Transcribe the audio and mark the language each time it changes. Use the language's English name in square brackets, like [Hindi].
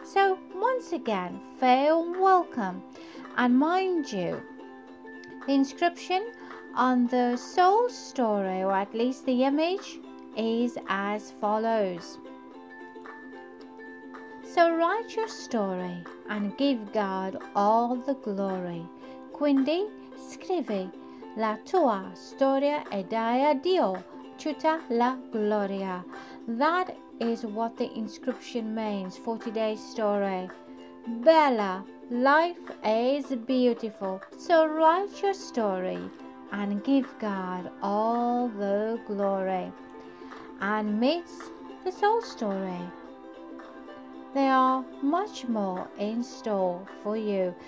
[English] So once again, fair welcome. And mind you, the inscription on the soul story, or at least the image, is as follows. So write your story and give God all the glory. [Italian] Quindi scrivi la tua storia e dai a Dio tutta la gloria. [English] That is what the inscription means for today's story. Bella, life is beautiful. So write your story and give God all the glory. And meets the soul story. There are much more in store for you.